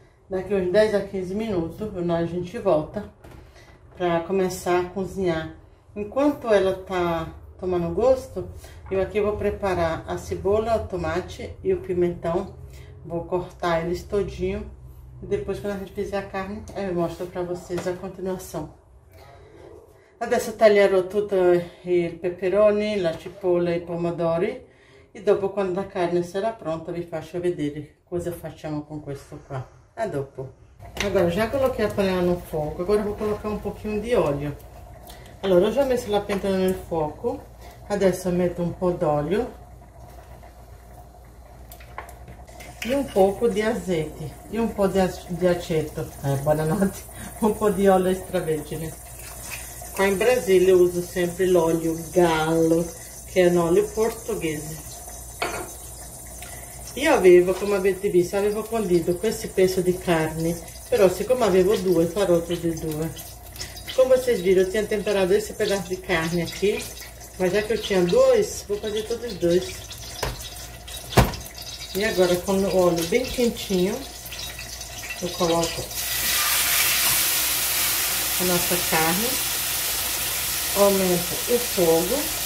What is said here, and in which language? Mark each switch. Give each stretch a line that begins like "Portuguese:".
Portuguese: Daqui a uns 10-15
Italian: minuti,
Portuguese: a gente volta para começar a cozinhar. Enquanto ela tá tomando gosto, eu aqui vou preparar a cebola, o tomate e o pimentão. Vou cortar eles todinho. Depois, quando a gente fizer a carne, eu mostro para vocês a continuação.
Italian: Adesso taglierò tutto il peperoni, la cipolla e i pomodori. E dopo, quando la carne sarà pronta, vi faccio vedere cosa facciamo con questo qua. A dopo.
Portuguese: Agora, já coloquei a panela no fogo. Agora, vou colocar um pouquinho
Italian: di olio. Allora, ho già messo la pentola nel fuoco. Adesso, metto un po' d'olio. E un poco di aceto e un po' di aceto, buonanotte, un po' di olio extravergine. Qua in Brasile uso sempre l'olio gallo, che è un olio portoghese. Io avevo, come avete visto, avevo condito questo pezzo di carne, però siccome avevo due, farò tutti e due. Come
Portuguese: vocês viram, eu tinha temperato esse pedaço
Italian: di carne
Portuguese: aqui,
Italian: ma già che
Portuguese: eu tinha dois, vou fazer
Italian: tutti e due.
Portuguese: E agora, com o óleo bem quentinho, eu coloco a nossa carne, aumenta o fogo.